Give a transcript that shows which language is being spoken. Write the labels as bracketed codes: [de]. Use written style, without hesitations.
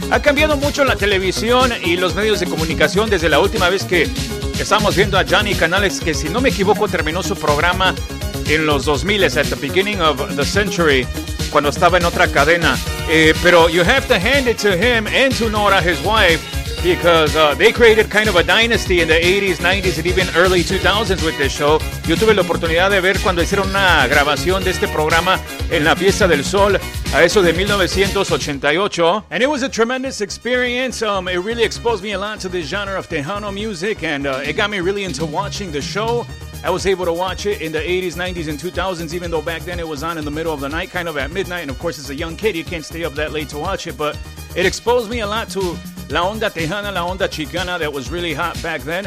[es] Ha cambiado mucho la televisión y los medios de comunicación desde la última vez que estamos viendo a Gianni Canales, que si no me equivoco terminó su programa en los 2000s, [en] at the beginning of the century, [es] cuando estaba en otra cadena. [en] Pero you have to hand it to him and to Nora, his wife, because they created kind of a dynasty in the 80s, 90s, and even early 2000s with this show. [es] Yo tuve la oportunidad de ver cuando hicieron una grabación de este programa en la Fiesta del Sol, a eso de 1988. [en] And it was a tremendous experience. It really exposed me a lot to the genre of Tejano music, and it got me really into watching the show. I was able to watch it in the 80s, 90s, and 2000s, even though back then it was on in the middle of the night, kind of at midnight. And of course, as a young kid, you can't stay up that late to watch it, but it exposed me a lot to La Onda Tejana, La Onda Chicana, that was really hot back then.